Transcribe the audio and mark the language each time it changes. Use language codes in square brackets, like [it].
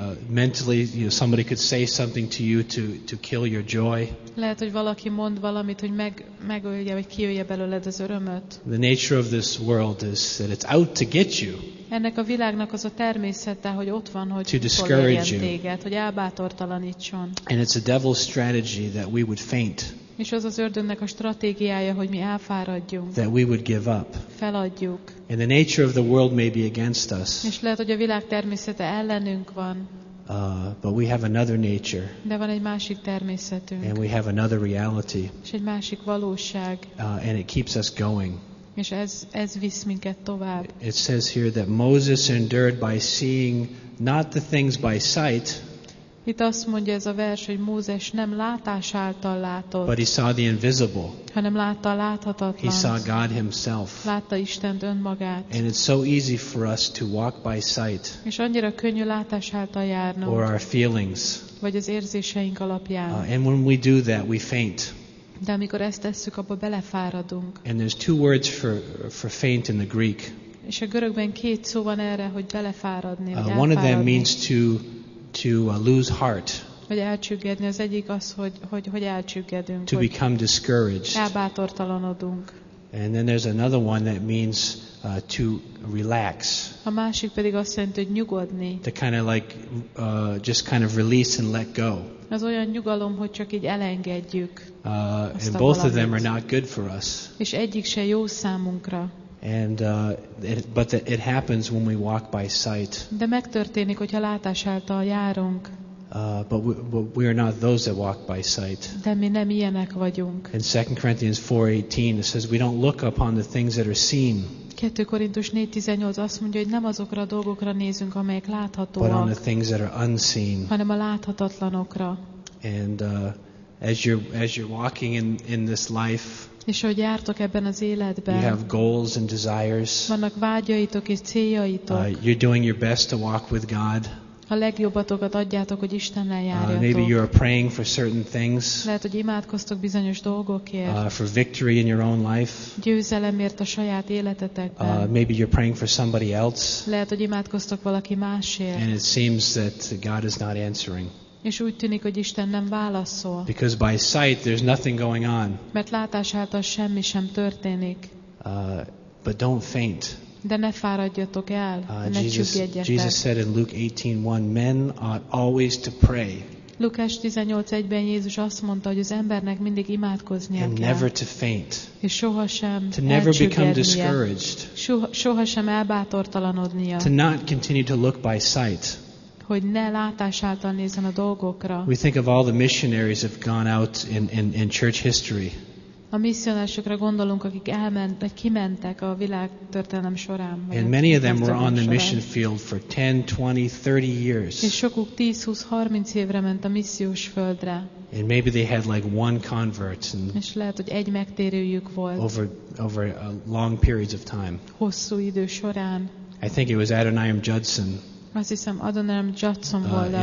[en] Mentally, you know, somebody could say something to you to kill your joy. [hu] Lehet, hogy valaki mond valamit, hogy megölje, vagy kiölje belőled az örömöt. [en] The nature of this world is that it's out to get you. [hu] Ennek a világnak az a természete, hogy ott van, hogy kipolyáljon téged, hogy elbátortalanítson. [en] And it's a devil's strategy that we would faint. [hu] És az az ördögnek a stratégiája, hogy mi elfáradjunk. [en] That we would give up. [hu] Feladjuk. [en] And the nature of the world may be against us. [hu] És lehet, hogy a világ természete ellenünk van. [en] But we have another nature. [hu] De van egy másik természetünk. [en] And we have another reality. [hu] És egy másik valóság. [en] And it keeps us going. [hu] És ez visz minket tovább. [en] It says here that Moses endured by seeing not the things by sight. [hu] Itt azt mondja ez a vers, hogy Mózes nem látás által látott. [en] But he saw the invisible. [hu] Hanem látta a láthatatlant. [en] He saw God himself. [hu] Látta Istent önmagát. [en] And it's so easy for us to walk by sight. [hu] És annyira könnyű látás által járnunk. [en] Or our feelings. [hu] Vagy az érzéseink alapján. [en] And when we do that, we faint. [hu] De amikor ezt tesszük, abba belefáradunk. [en] And there's two words for faint in the Greek. [hu] És a görögben két szó van erre, hogy belefáradni. [en] One of them means to lose heart. [hu] Vagy elcsüggedni. Az egyik az, hogy elcsüggedünk. [en] To become discouraged. [hu] Elbátortalanodunk. [en] And then there's another one that means to relax. [hu] A másik pedig azt jelenti, hogy nyugodni. [en] To kind of like just kind of release and let go. [hu] Az olyan nyugalom, hogy csak így elengedjük. [en] And both of them are not good for us. [hu] És egyik se jó számunkra. [en] And it happens when we walk by sight. [hu] De megtörténik, hogyha látás által járunk. [en] But we are not those that walk by sight. [hu] De mi nem ilyenek vagyunk. [en] In 2 Corinthians 4:18 it says we don't look upon the things that are seen. [hu] 2 Korintus 4:18 azt mondja, hogy nem azokra a dolgokra nézünk, amelyek láthatóak. [en] But on the things that are unseen. [hu] Hanem a láthatatlanokra. [en] And as you're walking in this life. [hu] És hogy jártok ebben az életben. [en] You have goals and desires. [hu] Vannak vágyaitok és céljaitok. [en] You're doing your best to walk with God. [hu] A legjobbatokat adjátok, hogy Istennel járjatok. [en] Maybe you are praying for certain things. [hu] Lehet, hogy imádkoztok bizonyos dolgokért. [en] For victory in your own life. [hu] Győzelemért a saját életetekben. [en] Maybe you're praying for somebody else. [hu] Lehet, hogy imádkoztok valaki másért. [en] And it seems that God is not answering. [hu] És úgy tűnik, hogy Isten nem válaszol. [en] Because by sight there's nothing going on. [hu] Mert látás által semmi sem történik. [en] But don't faint. [hu] De ne fáradjatok el, ne csüggedjetek. [en] Jesus said in Luke 18:1, men ought always to pray. [hu] Lukács 18:1-ben Jézus azt mondta, hogy az embernek mindig imádkoznia kell. [en] And never to faint. [hu] És sohasem [en] to never become discouraged. [hu] Sohasem elbátortalanodnia. [en] To not continue to look by sight. [hu] Hogy ne látás által nézzen a dolgokra. [en] We think of all the missionaries have gone out in church history. [hu] A misszionásokra gondolunk, akik elment, vagy kimentek a világ történelem során. [en] And many of them were on the mission field for 10, 20, 30 years. [hu] És sokuk 10-20-30 évre ment a missziós földre. [en] And maybe they had like one convert. And [hu] és lehet, hogy egy megtérőjük volt. [en] Over a long periods of time. [hu] Hosszú idő során. [en] I think it was Adoniram Judson. [hu] Azt hiszem, Adoniram Judson volt az.